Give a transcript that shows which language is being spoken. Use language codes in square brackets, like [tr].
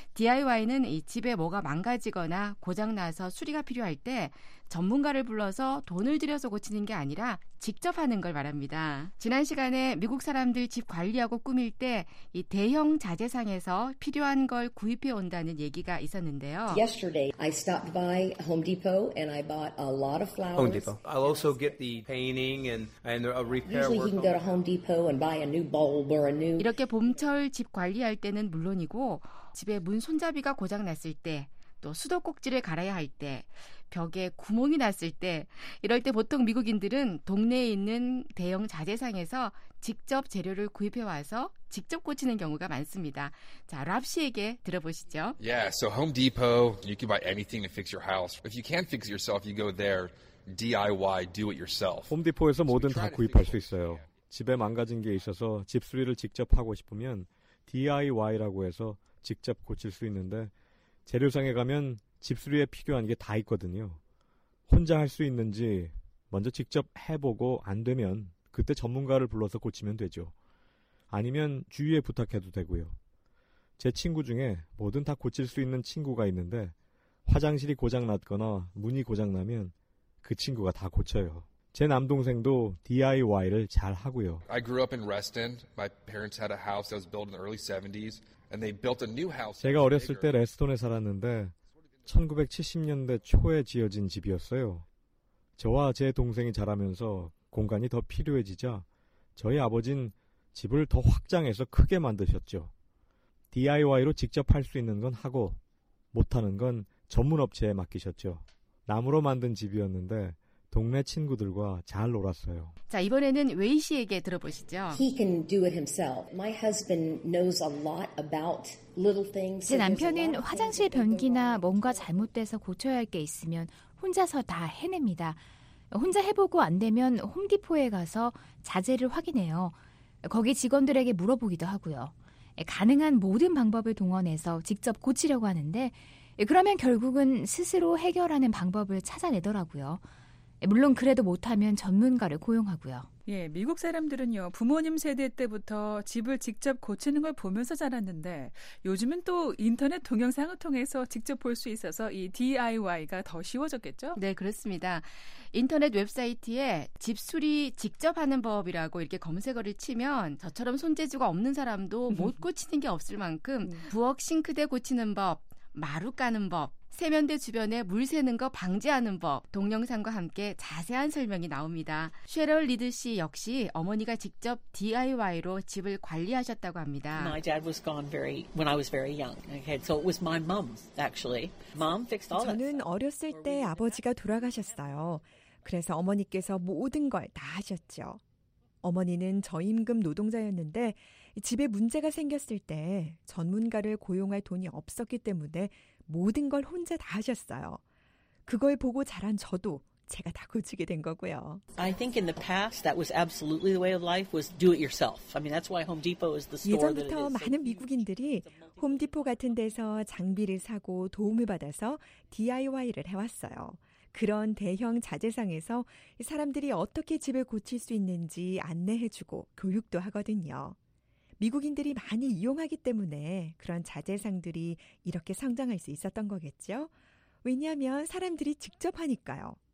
[ko] DIY는 이 집에 뭐가 망가지거나 고장나서 수리가 필요할 때 전문가를 불러서 돈을 들여서 고치는 게 아니라 직접 하는 걸 말합니다. 지난 시간에 미국 사람들 집 관리하고 꾸밀 때 이 대형 자재상에서 필요한 걸 구입해 온다는 얘기가 있었는데요. [en] Yesterday I stopped by Home Depot and I bought a lot of flowers. Home Depot. I'll also get the painting and a repair work. Usually you can go to Home Depot and buy a new bulb or a new [ko] 이렇게 봄철 집 관리할 때는 물론이고 집에 문 손잡이가 고장 났을 때 또 수도꼭지를 갈아야 할 때, 벽에 구멍이 났을 때, 이럴 때 보통 미국인들은 동네에 있는 대형 자재상에서 직접 재료를 구입해 와서 직접 고치는 경우가 많습니다. 자, 랍 씨에게 들어보시죠. [en] Yeah, so Home Depot, you can buy anything to fix your house. If you can't fix it yourself, you go there, DIY, do it yourself. [ko] 홈디포에서 뭐든 다 구입할 수 있어요. 집에 망가진 게 있어서 집수리를 직접 하고 싶으면 DIY라고 해서 직접 고칠 수 있는데 재료상에 가면 집수리에 필요한 게 다 있거든요. 혼자 할 수 있는지 먼저 직접 해보고 안 되면 그때 전문가를 불러서 고치면 되죠. 아니면 주위에 부탁해도 되고요. 제 친구 중에 뭐든 다 고칠 수 있는 친구가 있는데 화장실이 고장났거나 문이 고장나면 그 친구가 다 고쳐요. 제 남동생도 DIY를 잘 하고요. [en] I grew up in Reston. My parents had a house that was built in the early 70s. And they built a new house. [ko] 제가 어렸을 때 레스톤에 살았는데 1970년대 초에 지어진 집이었어요. 저와 제 동생이 자라면서 공간이 더 필요해지자 저희 아버진 집을 더 확장해서 크게 만드셨죠. DIY로 직접 할 수 있는 건 하고 못하는 건 전문업체에 맡기셨죠. 나무로 만든 집이었는데 동네 친구들과 잘 놀았어요. 자, 이번에는 웨이 씨에게 들어보시죠. [en] He can do it himself. My husband knows a lot about little things. [ko] 제 남편은 화장실 변기나 뭔가 잘못돼서 고쳐야 할 게 있으면 혼자서 다 해냅니다. 혼자 해보고 안 되면 홈디포에 가서 자재를 확인해요. 거기 직원들에게 물어보기도 하고요. 가능한 모든 방법을 동원해서 직접 고치려고 하는데 그러면 결국은 스스로 해결하는 방법을 찾아내더라고요. 물론 그래도 못하면 전문가를 고용하고요. 예, 미국 사람들은요 부모님 세대 때부터 집을 직접 고치는 걸 보면서 자랐는데 요즘은 또 인터넷 동영상을 통해서 직접 볼 수 있어서 이 DIY가 더 쉬워졌겠죠? 네, 그렇습니다. 인터넷 웹사이트에 집 수리 직접 하는 법이라고 이렇게 검색어를 치면 저처럼 손재주가 없는 사람도 못 고치는 게 없을 만큼 부엌 싱크대 고치는 법, 마루 까는 법, 세면대 주변에 물 새는 거 방지하는 법, 동영상과 함께 자세한 설명이 나옵니다. 쉐럴 리드 씨 역시 어머니가 직접 DIY로 집을 관리하셨다고 합니다. [en] My dad was gone when I was very young. Okay, so it was my mom actually. Mom fixed all. [ko] 저는 어렸을 때 아버지가 돌아가셨어요. 그래서 어머니께서 모든 걸 다 하셨죠. 어머니는 저임금 노동자였는데 집에 문제가 생겼을 때 전문가를 고용할 돈이 없었기 때문에 모든 걸 혼자 다 하셨어요. 그걸 보고 자란 저도 제가 다 고치게 된 거고요. [en] I think in the past that was absolutely the way of life was do it yourself. I mean that's why Home Depot is the store. [ko] 예전부터 많은 미국인들이 홈디포 같은 데서 장비를 사고 도움을 받아서 DIY를 해왔어요. 그런 대형 자재상에서 사람들이 어떻게 집을 고칠 수 있는지 안내해주고 교육도 하거든요. 미국인들이 많이 이용하기 때문에 그런 자재상들이 이렇게 성장할 수 있었던 거겠죠? 왜냐하면 사람들이 직접 하니까요.